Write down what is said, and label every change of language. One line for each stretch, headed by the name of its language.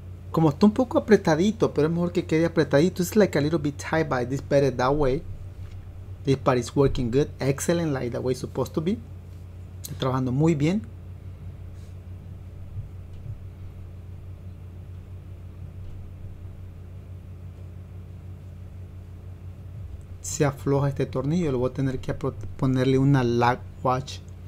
Spanish: Como está un poco apretadito, pero es mejor que quede apretadito.
English: It's like a little bit tight, but it's better that way. This part is working good, excellent, like the way it's supposed to be.
Spanish: Está trabajando muy bien. Se afloja este tornillo. Lo voy a tener que ponerle una lag watch.